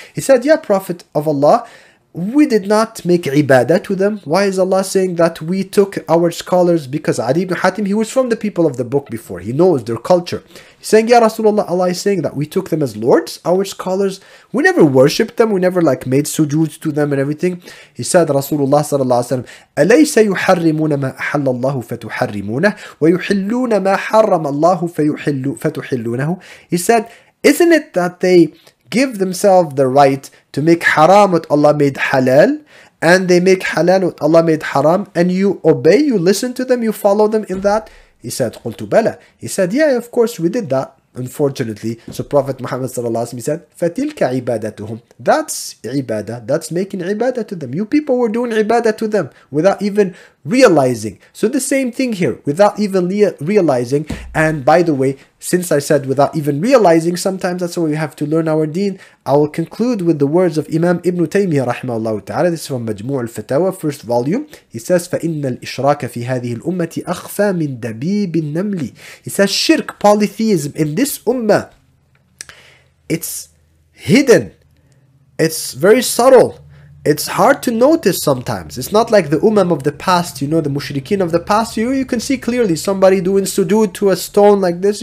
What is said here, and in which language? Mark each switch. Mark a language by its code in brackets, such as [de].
[en] He said, Ya Prophet of Allah, we did not make ibadah to them. Why is Allah saying that we took our scholars? Because Adi ibn Hatim, he was from the people of the book before. He knows their culture. He's saying, Ya Rasulullah, Allah is saying that we took them as lords, our scholars. We never worshipped them. We never like made sujood to them and everything. He said, Rasulullah sallallahu alayhi wa sallam, [ar] أَلَيْسَ يُحَرِّمُونَ مَا أَحَلَّ اللَّهُ فَتُحَرِّمُونَهُ وَيُحِلُّونَ مَا حَرَّمَ اللَّهُ فَتُحِلُّونَهُ. [en] He said, isn't it that they give themselves the right to make haram what Allah made halal, and they make halal what Allah made haram, and you obey, you listen to them, you follow them in that? He said, [ar] قُلْتُ بَلَى. [en] He said, yeah, of course, we did that, unfortunately. So Prophet Muhammad sallallahu alayhi wa sallam said, [ar] فَتِلْكَ عِبَادَتُهُمْ. [en] That's ibadah, that's making ibadah to them. You people were doing ibadah to them without even realizing. So the same thing here, without even realizing. And by the way, since I said without even realizing, sometimes that's why we have to learn our deen. I will conclude with the words of Imam Ibn Taymiyyah rahimahullah ta'ala. This is from Majmu' al-Fatawa, first volume. He says, [ar] فَإِنَّ الْإِشْرَاكَ فِي هَذِهِ الْأُمَّةِ أَخْفَى مِنْ دَبِيبِ النَّمْلِ. [en] He says, shirk, polytheism in this ummah, it's hidden. It's very subtle. It's hard to notice sometimes. It's not like the umam of the past, you know, the mushrikeen of the past. You can see clearly somebody doing sujood to a stone like this.